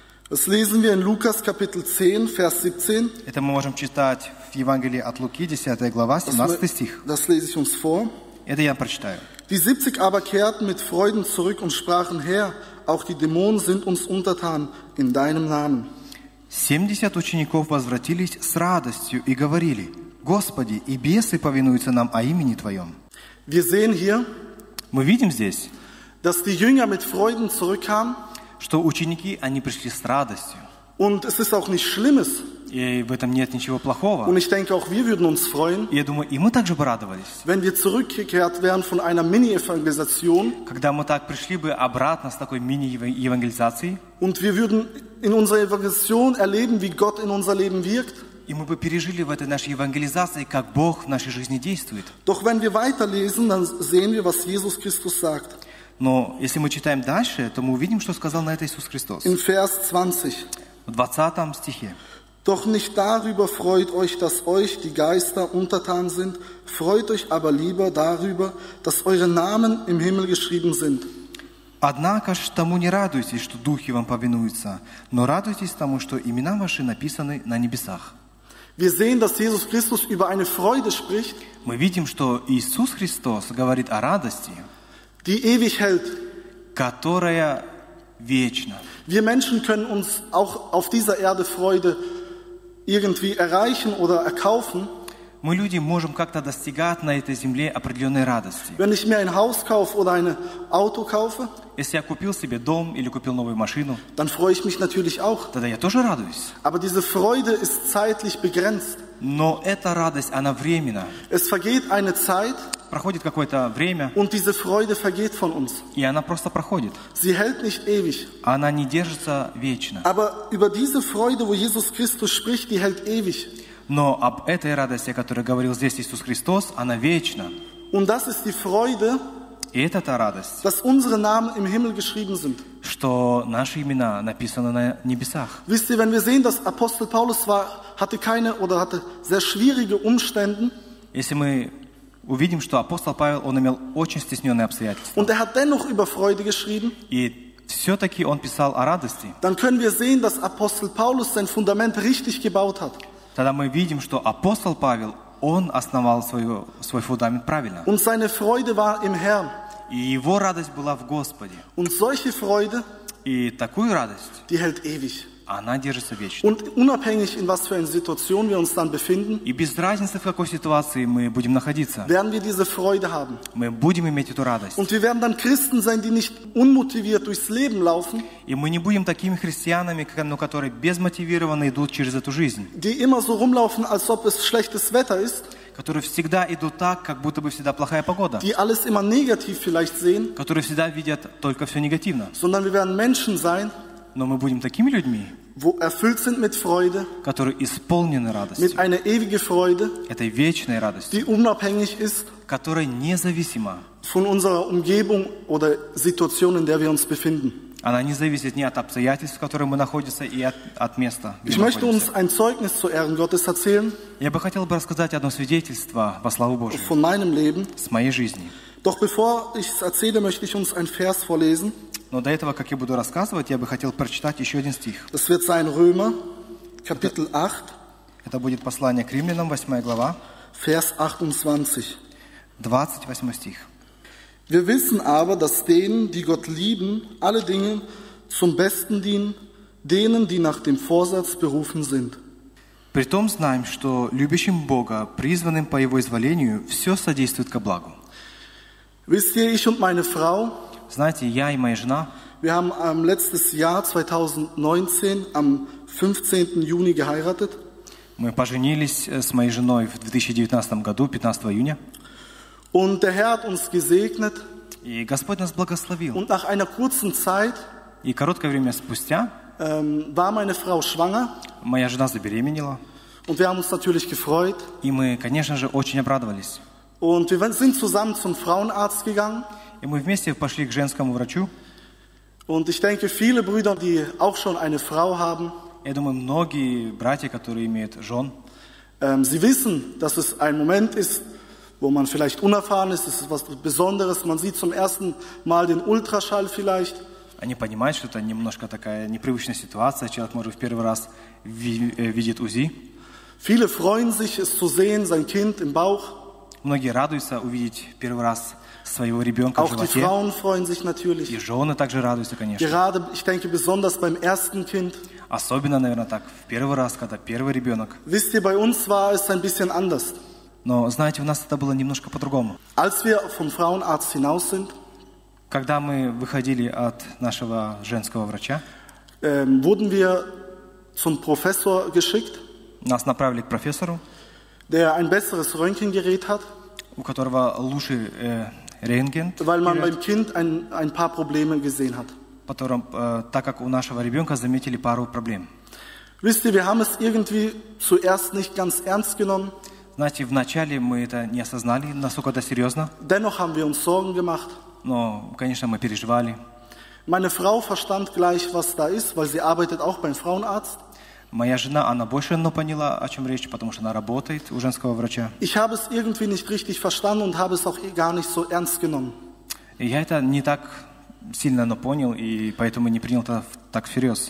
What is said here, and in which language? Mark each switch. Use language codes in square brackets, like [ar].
[de] Das lesen wir in Lukas, Kapitel 10, Vers 17. [ru] Это мы можем читать в Евангелии от Луки, 10 глава, 17 стих. [de] Das lese ich uns vor. [ru] Это я прочитаю. [de] Die 70 aber kehrten mit Freuden zurück und sprachen: Herr, auch die Dämonen sind uns untertan in deinem Namen. [ru] 70 учеников возвратились с радостью и говорили: Господи, и бесы повинуются нам о имени Твоем. [de] Wir sehen hier, [ru] мы видим здесь, [de] dass die Jünger mit Freuden zurückkamen, [ru] что ученики, они пришли с радостью. [de] Und es ist auch nichts Schlimmes. [ru] И в этом нет ничего плохого. [de] Und ich denke, auch wir würden uns freuen, [ru] я думаю, и мы также бы радовались, [de] wenn wir zurückgekehrt wären von einer Mini-Evangelisation, [ru] когда мы так пришли бы обратно с такой мини-евангелизацией. [de] Und wir würden in unserer Evangelisation erleben, wie Gott in unser Leben wirkt. [ru] И мы бы пережили в этой нашей евангелизации, как Бог в нашей жизни действует. [de] Doch wenn wir weiterlesen, dann sehen wir, was Jesus Christus sagt. [ru] Но если мы читаем дальше, то мы увидим, что сказал на это Иисус Христос. [de] In Vers 20. [ru] В 20 стихе. [de] Doch nicht darüber freut euch, dass euch die Geister untertan sind, freut euch aber lieber darüber, dass eure Namen im Himmel geschrieben sind. [ru] Однако ж тому не радуйтесь, что духи вам повинуются, но радуйтесь тому, что имена ваши написаны на небесах. [de] Wir sehen, dass Jesus Christus über eine Freude spricht. [ru] Мы видим, что Иисус Христос говорит о радости, [de] die ewig hält, [ru] которая вечна. [de] Wir Menschen können uns auch auf dieser Erde Freude irgendwie erreichen oder erkaufen. [ru] Мы люди можем как-то достигать на этой земле определенной радости. [de] Wenn ich mir ein Haus kaufe oder ein Auto kaufe, [ru] если я купил себе дом или купил новую машину, [de] dann freue ich mich natürlich auch. [ru] Тогда я тоже радуюсь. [de] Aber diese Freude ist zeitlich begrenzt. [ru] Но эта радость, она временна. [de] Es vergeht eine Zeit, [ru] проходит какое-то время, [de] und diese Freude vergeht von uns. [ru] И она просто проходит. [de] Sie hält nicht ewig. [ru] Она не держится вечно. [de] Aber über diese Freude, wo Jesus Christus spricht, die hält ewig. [ru] Но об этой радости, о которой говорил здесь Иисус Христос, она вечна. [de] Und das ist die Freude, [ru] и это та радость, [de] dass unsere Namen im Himmel geschrieben sind. [ru] Что наши имена написаны на небесах. [de] Wisst ihr, wenn wir sehen, dass Apostel Paulus war, hatte keine oder hatte sehr schwierige Umstände, [ru] если мы увидим, что апостол Павел, он имел очень стесненные обстоятельства, [de] und er hat dennoch über Freude geschrieben, [ru] и все-таки он писал о радости, [de] dann können wir sehen, dass Apostel Paulus sein Fundament richtig gebaut hat. [ru] Тогда мы видим, что апостол Павел, он основал свой фундамент правильно. [de] Und seine Freude war im Herrn. [ru] И его радость была в Господе. [de] Und solche Freude, [ru] и такую радость, [de] die hält ewig. [ru] Она держится вечно. [de] Und unabhängig, in was für eine Situation wir uns dann befinden, [ru] и без разницы, в какой ситуации мы будем находиться, [de] werden wir diese Freude haben. [ru] Мы будем иметь эту радость. [de] Und wir werden dann Christen sein, die nicht unmotiviert durchs Leben laufen, [ru] и мы не будем такими христианами, которые безмотивированно идут через эту жизнь, [de] die immer so rumlaufen, als ob es schlechtes Wetter ist, [ru] которые всегда идут так, как будто бы всегда плохая погода, [de] die alles immer negativ vielleicht sehen, [ru] которые всегда видят только все негативно, [de] sondern wir werden Menschen sein, [ru] но мы будем такими людьми, [de] wo erfüllt sind mit Freude, [ru] которые исполнены радостью, [de] mit einer ewigen Freude, [ru] этой вечной радостью, [de] die unabhängig ist, [ru] которая независима [de] von unserer Umgebung oder Situation, in der wir uns befinden. [ru] Она не зависит ни от обстоятельств, в которых мы находимся, и от места, где [de] ich [ru] мы [de] möchte [ru] находимся. [de] Uns ein Zeugnis zu Ehren Gottes erzählen, [ru] я бы хотел бы рассказать одно свидетельство во славу Божию [de] von meinem Leben, [ru] с моей жизни. [de] Doch bevor ich es erzähle, möchte ich uns einen Vers vorlesen. [ru] Но до этого, как я буду рассказывать, я бы хотел прочитать еще один стих. [de] Das wird sein Römer, Kapitel 8. [ru] Это будет послание к Римлянам, 8 глава. [de] Vers 28. [ru] 28 стих. [de] Wir wissen aber, dass denen, die Gott lieben, alle Dinge zum Besten dienen, denen, die nach dem Vorsatz berufen sind. [ru] Притом знаем, что любящим Бога, призванным по Его изволению, все содействует ко благу. [de] Wisst ihr, ich und meine Frau, [ru] знаете, я и моя жена, [de] wir haben letztes Jahr 2019 am 15. Juni geheiratet. [ru] Мы поженились с моей женой в 2019 году, 15 июня. [de] Und der Herr hat uns gesegnet. [ru] И Господь нас благословил. [de] Und nach einer kurzen Zeit, [ru] и короткое время спустя, [de] war meine Frau schwanger. [ru] Моя жена забеременела. [de] Und wir haben uns natürlich gefreut. [ru] И мы, конечно же, очень обрадовались. [de] Und wir sind zusammen zum Frauenarzt gegangen. [ru] И мы вместе пошли к женскому врачу. [de] Und ich denke, viele Brüder, die auch schon eine Frau haben, [ru] я думаю, многие братья, которые имеют жен, [de] sie wissen, dass es ein Moment ist, wo man vielleicht unerfahren ist, es ist was Besonderes, man sieht zum ersten Mal den Ultraschall vielleicht. [ru] Они понимают, что это немножко такая непривычная ситуация, человек может в первый раз видит УЗИ. [de] Viele freuen sich, es zu sehen, sein Kind im Bauch. [ru] Многие радуются увидеть первый раз своего ребенка [de] auch [ru] в животе. [de] Die Frauen freuen sich natürlich. [ru] И жены также радуются, конечно. [de] Gerade, ich denke, besonders beim ersten Kind. [ru] Особенно, наверное, так, в первый раз, когда первый ребенок. [de] Wisst ihr, bei uns war es ein bisschen anders. [ru] Но, знаете, у нас это было немножко по-другому. [de] Als wir vom Frauenarzt hinaus sind, [ru] когда мы выходили от нашего женского врача, [de] wurden wir zum Professor geschickt, [ru] нас направили к профессору, [de] der ein besseres Röntgengerät hat, [ru] у которого лучший рентген, [de] weil man beim Kind ein paar Probleme gesehen hat. [ru] Потом, так как у нашего ребенка заметили пару проблем. [de] Wisst ihr, wir haben es irgendwie zuerst nicht ganz ernst genommen. [ru] Знаете, вначале мы это не осознали, насколько это серьезно. [de] Dennoch haben wir uns Sorgen gemacht. [ru] Но, конечно, мы переживали. [de] Meine Frau verstand gleich, was da ist, weil sie arbeitet auch beim Frauenarzt. [ru] Моя жена, она больше поняла, о чем речь, потому что она работает у женского врача. [de] Ich habe es irgendwie nicht richtig verstanden und habe es auch gar nicht so ernst genommen. [ru] Я это не так сильно понял и поэтому не принял это так всерьез.